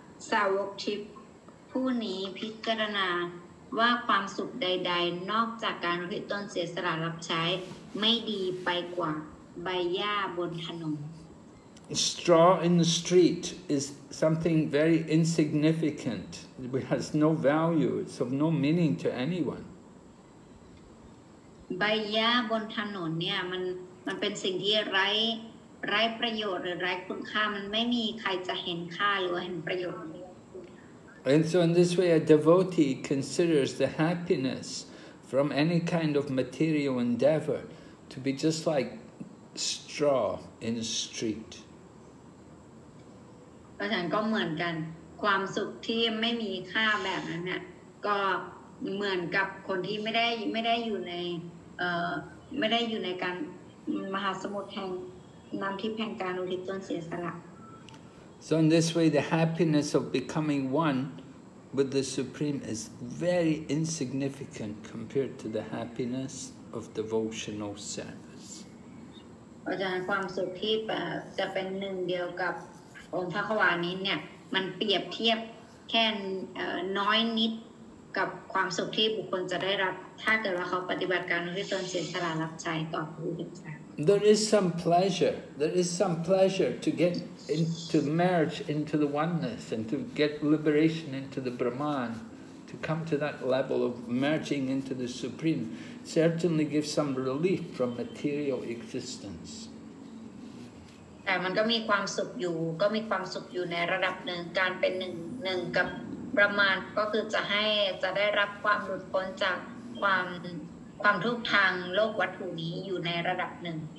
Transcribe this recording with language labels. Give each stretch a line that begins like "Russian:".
Thai: สาวกทิพย์ผู้นี้พิจารณาว่าความสุขใดๆนอกจากการอุทิศตนเสียสละรับใช้ไม่ดีไปกว่าใบหญ้าบนถนน
English: Straw in the street is something very insignificant. It has no value. It's of no meaning to anyone.
Thai: ใบหญ้าบนถนนเนี่ยมันเป็นสิ่งที่ไร้ประโยชน์หรือไร้คุณค่ามันไม่มีใครจะเห็นค่าหรือเห็นประโยชน์
English: And so in this way a devotee considers the happiness from any kind of material endeavor to be just like straw in a street
Thai: เพราะฉะนั้นก็เหมือนกันความสุขที่ไม่มีค่าแบบนั้นน่ะก็เหมือนกับคนที่ไม่ได้อยู่ในไม่ได้อยู่ในการมหาสมุทรแห่งน้ำทิพย์แห่งการอุทิศตนเสียสละ
English: So in this way the happiness of becoming one with the supreme is very insignificant compared to the happiness of devotional service
Thai: อาจารย์ความสุขที่จะเป็นหนึ่งเดียวกับองค์พระควานี้เนี่ยมันเปรียบเทียบแค่น้อยนิดกับความสุขที่บุคคลจะได้รับถ้าเกิดว่าเขาปฏิบัติการที่ตนเสียสละรับใช้ต่อผู้อื่น
English: There is some pleasure. There is some pleasure to get into merge into the oneness and to get liberation into the Brahman, to come to that level of merging into the Supreme. Certainly gives some relief from material existence.
Thai: แต่มันก็มีความสุขอยู่ในระดับหนึ่งการเป็นหนึ่งกับ Brahman ก็คือจะให้จะได้รับความหลุดพ้นจากความทุกข์ทางโลกวัตถุนี้อยู่ในระดับหนึ่ง